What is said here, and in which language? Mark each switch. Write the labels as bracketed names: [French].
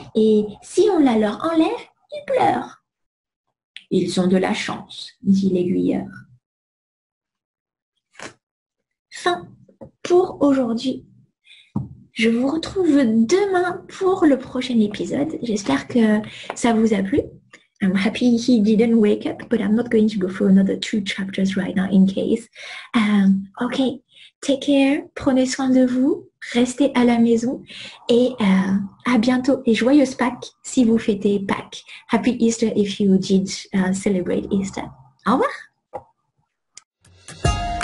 [French] Et si on la leur enlève, ils pleurent. Ils ont de la chance, dit l'aiguilleur. Fin pour aujourd'hui. Je vous retrouve demain pour le prochain épisode. J'espère que ça vous a plu. [English] I'm happy he didn't wake up, but I'm not going to go for another two chapters right now in case. Okay, take care, [French] prenez soin de vous, restez à la maison et à bientôt et joyeuse Pâques si vous fêtez Pâques. [English] Happy Easter if you did celebrate Easter. [French] Au revoir!